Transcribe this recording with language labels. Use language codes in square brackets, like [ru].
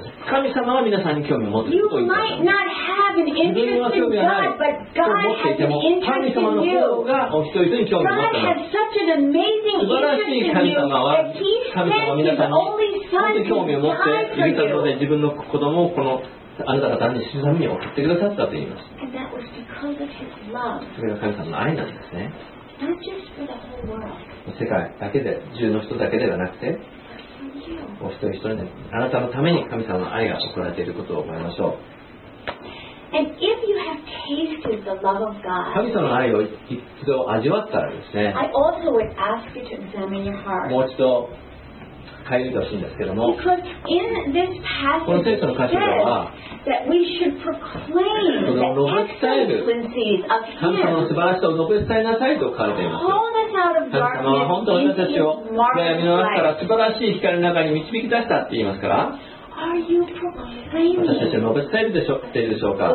[en] You might not have an interest in God, but God has an interest in you. God has such an amazing interest in you that He sent His only Son to die for you. [ja] 神様は皆さんに興味を持って、自分の子供をこのあなた方に神様に送ってくださったと言います。それが神様の愛なんですね。 [en] Not just for the whole world. [ja] 世界だけで、10の人だけではなくて、お一人一人で、あなたのために神様の愛が贈られていることを覚えましょう。 [en] And if you have tasted the love of God, [ja] 神様の愛を一度味わったらですね、 [en] I also would ask you to examine your heart. [ja] もう一度変えてほしいんですけども、 [en] Because in this passage, [ja] この聖書の箇所では、 [en] That we should proclaim the excellencies of Him. [ja] 神様の素晴らしさを述べ伝えなさいと書いています。神様は本当に私たちを悩みの中から素晴らしい光の中に導き出したって言いますから、私たちは述べ伝えるでしょ、言っているでしょうか。